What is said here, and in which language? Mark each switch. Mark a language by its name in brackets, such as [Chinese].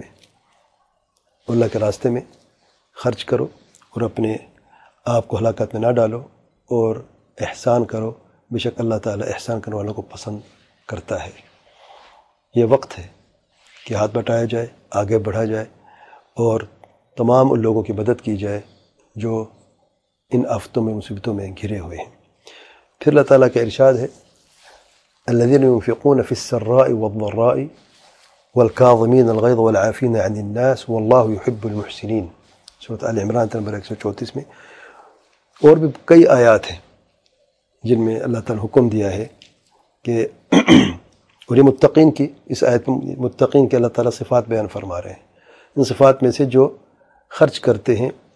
[Urdu] میں اللہ کے راستے میں خرچ کرو اور اپنے آپ کو ہلاکت میں نہ ڈالو، اور احسان کرو، بے شک اللہ تعالیٰ احسان کرنے والوں کو پسند کرتا ہے. یہ وقت ہے کہ ہاتھ بٹایا جائے، آگے بڑھا جائے، اور تمام ان لوگوں کی مدد کی جائے جو ان آفتوں میں، مصیبتوں میں گھرے ہوئے ہیں. پھر اللہ تعالیٰ کا ارشاد ہے، [Arabic] الذين ينفقون في السراء والضراء والكاظمين الغيظ والعافين عن الناس والله يحب المحسنين، سورۃ آل عمران 134. [Urdu] میں اور بھی کئی آیات ہیں جن میں اللہ تعالیٰ حکم دیا ہے کہ، اور یہ متقین کی، اس آیت متقین کے اللہ تعالیٰ صفات بیان فرما رہے ہیں، ان صفات میں سے جو خرچ کرتے ہیں